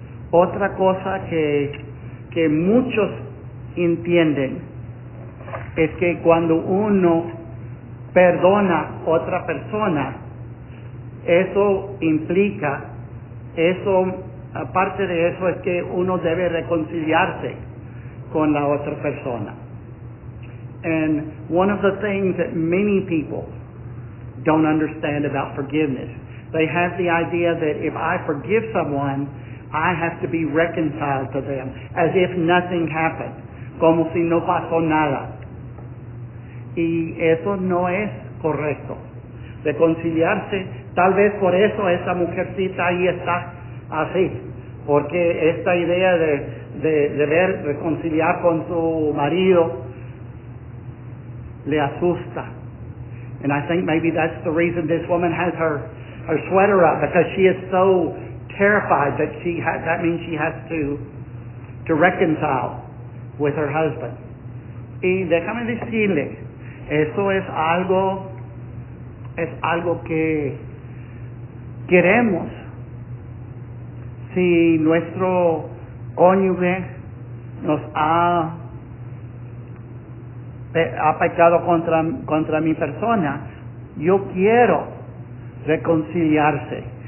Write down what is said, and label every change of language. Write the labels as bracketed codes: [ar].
[es] Otra cosa que muchos entienden es que cuando uno perdona a otra persona, eso implica, eso, aparte de eso, es que uno debe reconciliarse con la otra persona. [en] And one of the things that many people don't understand about forgiveness, they have the idea that if I forgive someone, I have to be reconciled to them, as if nothing happened, [es] como si no pasó nada. Y eso no es correcto. Reconciliarse, tal vez por eso esa mujercita ahí está así, porque esta idea de reconciliar con su marido le asusta. [en] And I think maybe that's the reason this woman has her sweater up, because she is so terrified that she has to reconcile with her husband. [es] Y déjame decirle, eso es algo que queremos. Si nuestro cónyuge nos ha pecado contra mi persona, yo quiero reconciliarse.